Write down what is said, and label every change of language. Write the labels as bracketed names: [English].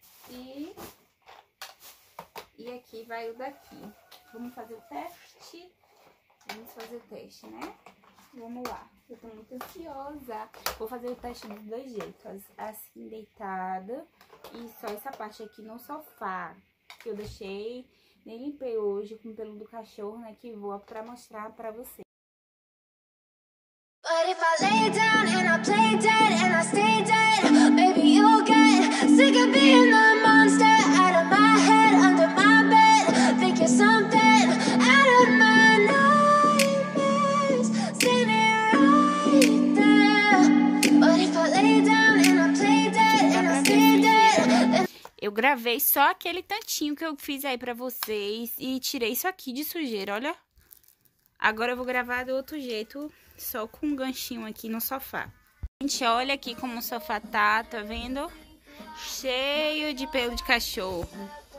[Portuguese] E aqui vai o daqui. Vamos fazer o teste. Vamos fazer o teste, né? Vamos lá. Eu tô muito ansiosa. Vou fazer o teste de dois jeitos. Assim, deitada. E só essa parte aqui no sofá. Que eu deixei. Nem limpei hoje com o pelo do cachorro, né? Que vou pra mostrar pra vocês. [English] But if I lay down and I play dead and I stay dead, maybe you'll get sick of being the monster out of my head, under my bed, think you're something out of my nightmares. See me right there. But if I lay down and I play dead and I stay dead. [Portuguese] Eu gravei só aquele tantinho que eu fiz aí pra vocês e tirei isso aqui de sujeira, olha. Agora eu vou gravar do outro jeito, só com um ganchinho aqui no sofá. Gente, olha aqui como o sofá tá vendo? Cheio de pelo de cachorro.